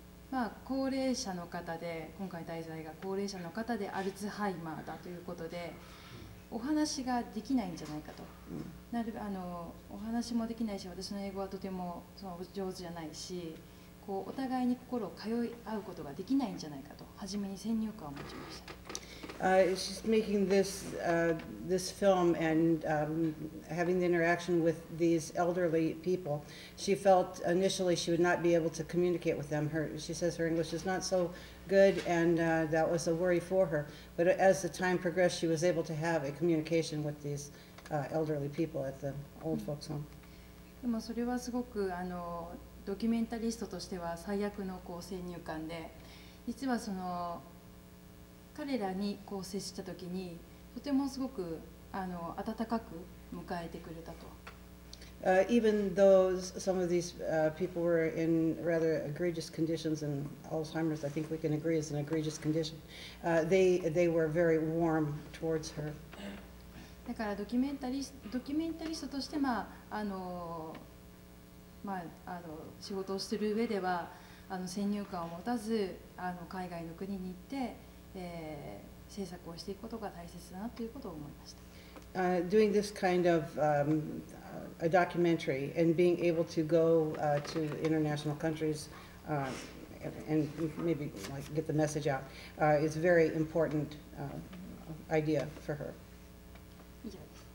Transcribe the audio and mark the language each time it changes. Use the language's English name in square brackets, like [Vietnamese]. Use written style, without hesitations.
[Japanese] まあ、高齢者の方で今回題材が高齢者の方でアルツハイマーだということでお話ができないんじゃないかとなるあのお話もできないし私の英語はとてもその上手じゃないしこうお互いに心を通い合うことができないんじゃないかと初めに先入観を持ちました。 [English] She's making this, this film and having the interaction with these elderly people. She felt initially she would not be able to communicate with them. She says her English is not so good, and that was a worry for her. But as the time progressed, she was able to have a communication with these elderly people at the old folks' home. [Japanese] でもそれはすごくあのドキュメンタリストとしては最悪のこう先入観で、実はその彼らにこう接したときにとてもすごくあの温かく迎えてくれたと。 [English] Even though some of these people were in rather egregious conditions, and Alzheimer's, I think we can agree, is an egregious condition, they were very warm towards her. [Japanese] だからドキュメンタリストとしてまああのまああの仕事をしている上ではあの先入観を持たずあの海外の国に行って。制作をしていくことが大切だなということを思いました。 [English] Doing this kind of a documentary and being able to go to international countries and maybe like get the message out is very important idea for her. [Japanese] 以上です。